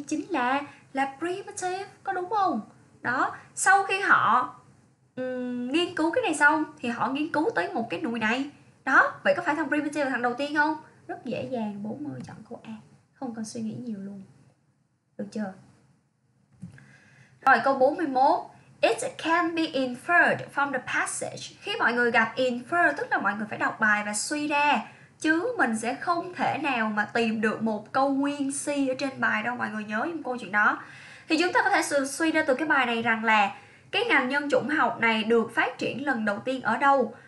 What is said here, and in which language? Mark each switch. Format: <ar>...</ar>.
<vi>Chính là primitive, có đúng không? Đó, sau khi họ nghiên cứu cái này xong thì họ nghiên cứu tới một cái nùi này. Đó, vậy có phải thằng primitive là thằng đầu tiên không? Rất dễ dàng, 40 chọn câu A. Không cần suy nghĩ nhiều luôn. Được chưa? Rồi câu 41.</vi> <en>It can be inferred from the passage.</en> <vi>Khi mọi người gặp infer tức là mọi người phải đọc bài và suy ra, chứ mình sẽ không thể nào mà tìm được một câu nguyên si ở trên bài đâu. Mọi người nhớ giùm cô chuyện đó. Thì chúng ta có thể suy ra từ cái bài này rằng là cái ngành nhân chủng học này được phát triển lần đầu tiên ở đâu.</vi>